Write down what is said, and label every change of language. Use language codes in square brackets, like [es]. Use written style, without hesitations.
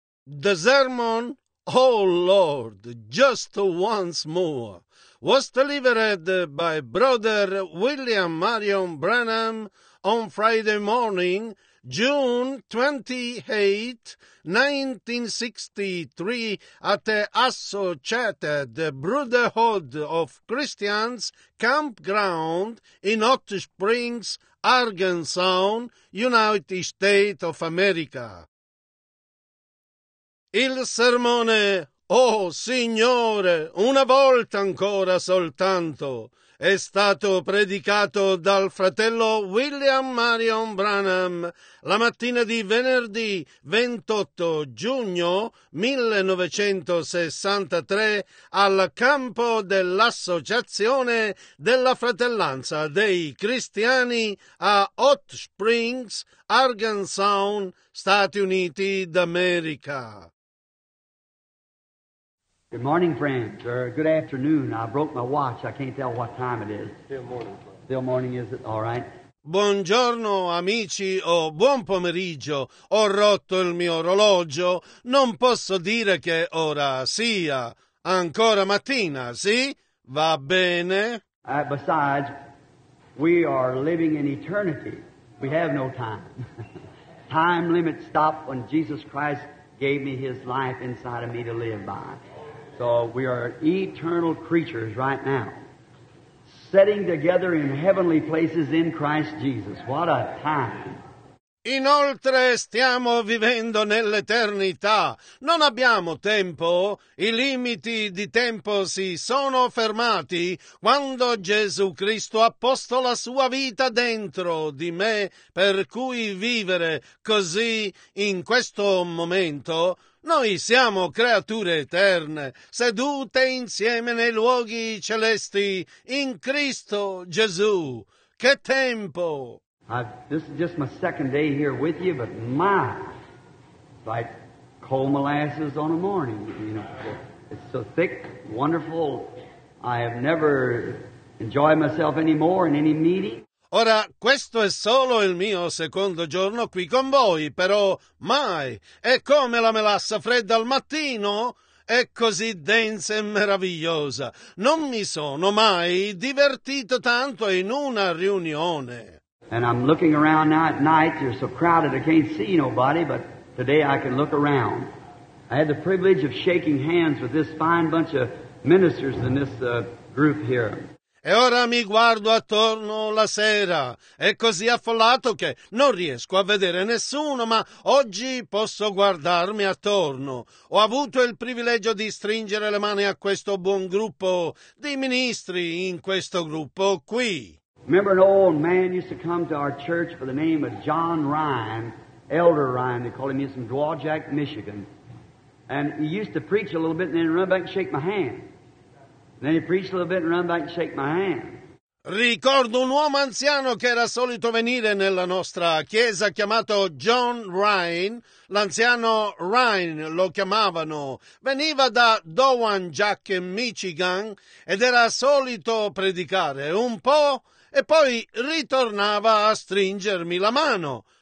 [en] The sermon, oh Lord, just once more, was delivered by Brother William Marion Branham on Friday morning, June 28, 1963, at the Associated Brotherhood of Christians campground in Hot Springs, Arkansas, United States of America. [it] Il sermone, oh Signore, una volta ancora soltanto, è stato predicato dal fratello William Marion Branham la mattina di venerdì 28 giugno 1963 al campo dell'Associazione della Fratellanza dei Cristiani a Hot Springs, Arkansas, Stati Uniti d'America. [en] Good morning, friends, or good afternoon. I broke my watch. I can't tell what time it is. Still morning. Friend. Still morning, is it? All right. [it] Buongiorno, amici, o buon pomeriggio. Ho rotto il mio orologio. Non posso dire che ora sia. Ancora mattina, sì? Va bene? [en] Besides, we are living in eternity. We have no time. Time limit stopped when Jesus Christ gave me his life inside of me to live by. So we are eternal creatures right now, sitting together in heavenly places in Christ Jesus. What a time! [it] Inoltre stiamo vivendo nell'eternità. Non abbiamo tempo. I limiti di tempo si sono fermati quando Gesù Cristo ha posto la sua vita dentro di me, per cui vivere così in questo momento. Noi siamo creature eterne, sedute insieme nei luoghi celesti, in Cristo Gesù. Che tempo! [en] This is just my second day here with you, but my, like cold molasses on a morning, you know. It's so thick, wonderful. I have never enjoyed myself anymore in any meeting. [it] Ora, questo è solo il mio secondo giorno qui con voi, però mai è come la melassa fredda al mattino, è così densa e meravigliosa. Non mi sono mai divertito tanto in una riunione. [en] And I'm looking around now at night, you're so crowded I can't see nobody, but today I can look around. I had the privilege of shaking hands with this fine bunch of ministers in this group here. [it] E ora mi guardo attorno la sera. È così affollato che non riesco a vedere nessuno, ma oggi posso guardarmi attorno. Ho avuto il privilegio di stringere le mani a questo buon gruppo di ministri in questo gruppo qui. [en] Remember an old man used to come to our church for the name of John Ryan, Elder Ryan, they call him, he's from Dwajak, Michigan. And he used to preach a little bit and then run back and shake my hand. Then he preached a little bit and run back and shake my hand. [it] Ricordo un uomo anziano che era solito venire nella nostra chiesa chiamato John Ryan. L'anziano Ryan lo chiamavano. Veniva da Dowanjack, Michigan, ed era solito predicare un po' e poi ritornava a stringermi la mano.